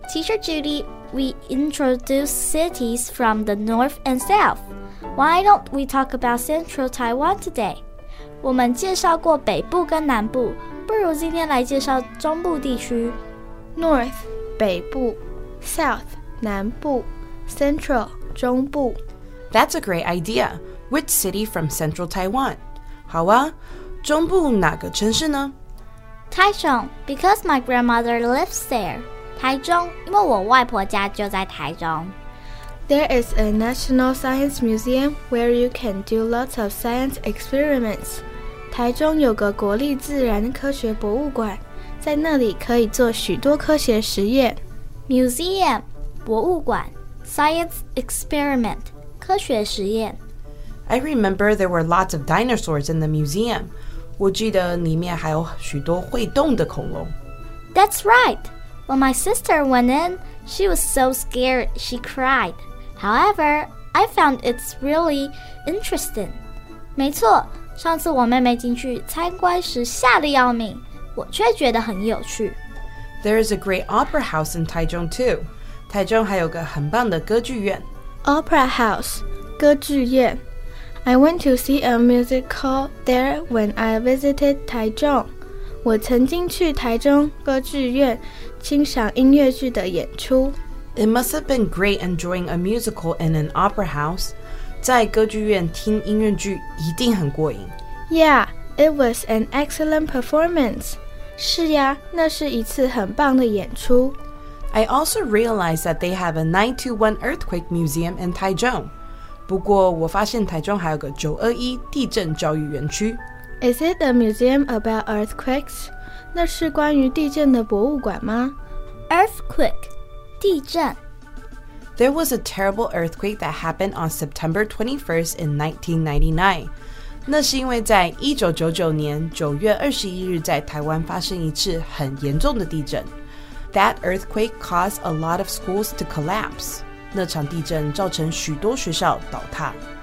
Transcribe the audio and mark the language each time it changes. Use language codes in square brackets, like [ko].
[en] Teacher Judy, we introduce cities from the north and south. Why don't we talk about central Taiwan today? [zh] 我们介绍过北部跟南部，不如今天来介绍中部地区。 [en] North, 北部 South, 南部Central, 中部。 That's a great idea. Which city from central Taiwan? [zh] 好啊，中部哪个城市呢？ [en] Taichung, because my grandmother lives there. [zh] 台中，因为我外婆家就在台中。 [en] There is a National Science Museum where you can do lots of science experiments. [zh] 台中有个国立自然科学博物馆，在那里可以做许多科学实验。 [en] Museum, 博物馆。Science experiment, 科学实验。 I remember there were lots of dinosaurs in the museum. [zh] 我记得里面还有许多会动的恐龙。 [en] That's right. When my sister went in, she was so scared she cried. However, I found it's really interesting. [zh] 没错，上次我妹妹进去参观时吓得要命，我却觉得很有趣。 [en] There is a great opera house in Taichung too. [zh] 台中还有个很棒的歌剧院 [en] Opera House, [zh] 歌剧院 [en] I went to see a musical there when I visited Taichung [zh] 我曾经去台中歌剧院欣赏音乐剧的演出 [en] It must have been great enjoying a musical in an opera house [zh] 在歌剧院听音乐剧一定很过瘾 [en] Yeah, it was an excellent performance [zh] 是呀，那是一次很棒的演出 [en] I also realized that they have a 921 earthquake museum in Taichung. [zh] 不过我发现台中还有个921地震教育园区。 [en] Is it a museum about earthquakes? [zh] 那是关于地震的博物馆吗? [en] Earthquake, 地震。 There was a terrible earthquake that happened on September 21st in 1999. [zh] 那是因为在1999年9月21日在台湾发生一次很严重的地震。 [en] That earthquake caused a lot of schools to collapse. [zh] 那场地震造成许多学校倒塌。